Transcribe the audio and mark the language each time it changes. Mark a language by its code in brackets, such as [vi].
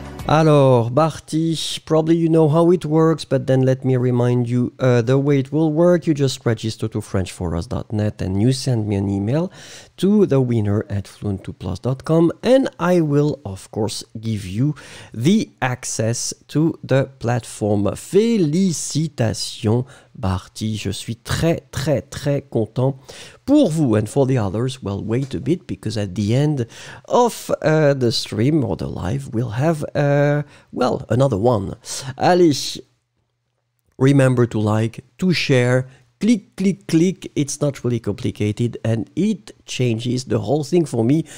[en] Alors, Barty, probably you know how it works, but then let me remind you the way it will work. You just register to frenchforus.net and you send me an email to the winner at fluent2plus.com, and I will, of course, give you the access to the platform. [fr] Félicitations, Barty. Je suis très, très, très content pour vous. [en] And for the others, well, wait a bit, because at the end of the stream or the live, we'll have, well, another one. Allez, remember to like, to share. Click, click, click. It's not really complicated and it changes the whole thing for me.